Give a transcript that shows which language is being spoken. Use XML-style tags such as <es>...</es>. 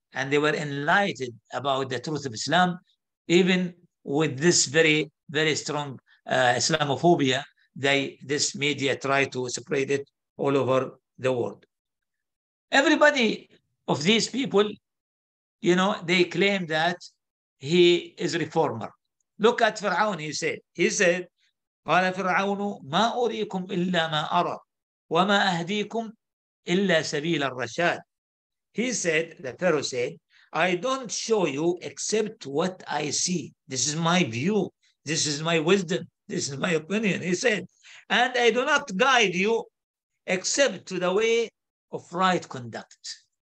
<en>And they were enlightened about the truth of Islam, even with this very, very strong Islamophobia. This media tried to spread it all over the world. Everybody of these people, you know, they claim that he is a reformer. Look at Fir'aun, he said. He said,</en> <ar>قال فرعون ما أريكم إلا ما أرى وما أهديكم إلا سبيل الرشاد.</ar> <en>He said, the Pharaoh said, I don't show you except what I see. This is my view. This is my wisdom. This is my opinion, he said. And I do not guide you except to the way of right conduct.</en>